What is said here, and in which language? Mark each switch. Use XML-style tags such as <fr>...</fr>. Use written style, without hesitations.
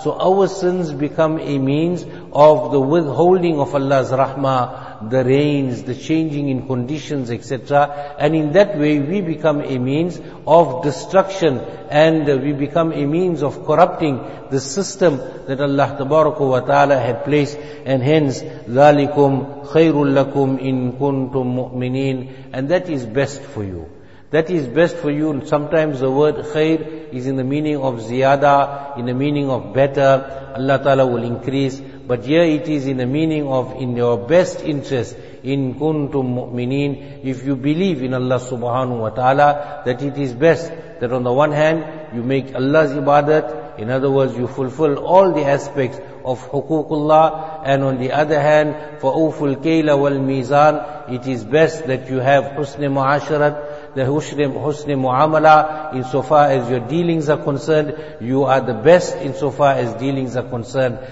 <en>So our sins become a means of the withholding of Allah's rahmah, the rains, the changing in conditions, etc. And in that way we become a means of destruction, and we become a means of corrupting the system that Allah tabaraka wa ta'ala had placed. And hence,</en> <ar>ذَلِكُمْ خَيْرٌ لَكُمْ إِن كُنْتُمْ مُؤْمِنِينَ.</ar> <en>And that is best for you. That is best for you. And sometimes the word khair is in the meaning of ziyada, in the meaning of better, Allah Ta'ala will increase. But here it is in the meaning of in your best interest,</en> <ar>in kuntum mu'mineen,</ar> <en>if you believe in Allah subhanahu wa ta'ala, that it is best that on the one hand you make Allah's ibadat, in other words you fulfill all the aspects of hukukullah, and on the other hand,</en> <ar>فَأُوفُ الْكَيْلَ وَالْمِيزَانِ,</ar> <en>it is best that you have husn mu'asharat, the husni mu'amala, insofar as your dealings are concerned, you are the best insofar as dealings are concerned.</en>